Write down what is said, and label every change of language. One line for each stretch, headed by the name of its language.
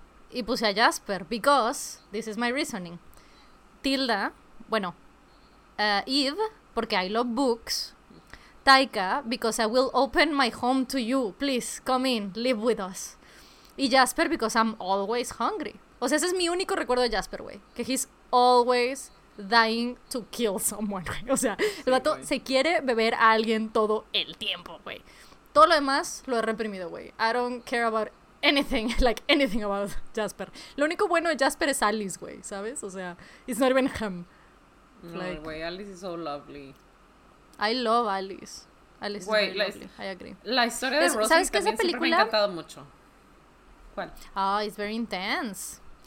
Spanish: Y puse a
English: Jasper, because this is my reasoning. Tilda,
Spanish: bueno,
English: Eve,
Spanish: porque
English: I love books. Taika, because I will open my home to you. Please, come in, live with us. Y Jasper, because I'm always hungry.
Spanish: O sea, ese es mi único recuerdo de Jasper, güey. Que
English: he's always dying to kill someone,
Spanish: güey. O sea, sí, el vato se quiere beber a alguien todo el tiempo, güey. Todo lo demás lo he reprimido, güey.
English: I don't care about anything, like anything about Jasper.
Spanish: Lo único bueno de Jasper es Alice, güey, ¿sabes? O sea,
English: it's not even him.
Spanish: No, güey,
English: like, Alice is so lovely. I love Alice. Alice, wey, is very lovely. I agree.
Spanish: La historia de Rosie, ¿sabes que también esa película... siempre me ha encantado mucho. ¿Cuál?
English: Oh, it's very intense.